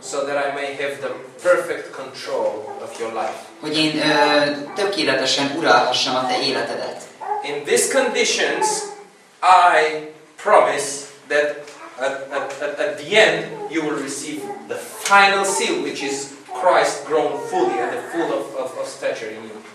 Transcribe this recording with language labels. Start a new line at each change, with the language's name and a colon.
English: So that I may have the perfect control of your life.
Hungarian: Hogy én tökéletesen uralhassam a te életedet.
English: In these conditions, I promise that at the end you will receive the final seal, which is Christ grown fully and full of stature in you.